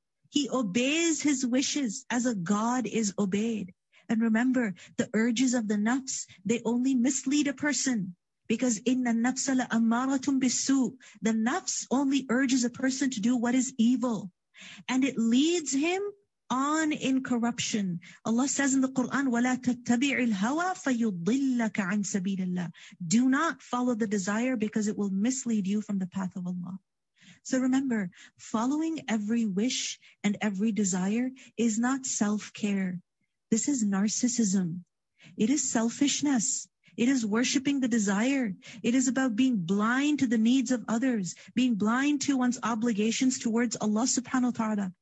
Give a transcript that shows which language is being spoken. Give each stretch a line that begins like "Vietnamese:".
English: He obeys his wishes as a God is obeyed. And remember, the urges of the nafs, they only mislead a person. Because
Arabic: inna nafsa la'ammaratun bisu,
English: the nafs only urges a person to do what is evil. And it leads him on in corruption. Allah says in the Quran,
Arabic: وَلَا تَتَّبِعِ الْهَوَى فَيُضِلَّكَ عَنْ سَبِيلِ اللَّهِ.
English: Do not follow the desire because it will mislead you from the path of Allah. So remember, following every wish and every desire is not self-care. This is narcissism. It is selfishness. It is worshipping the desire. It is about being blind to the needs of others, being blind to one's obligations towards Allah subhanahu wa ta'ala.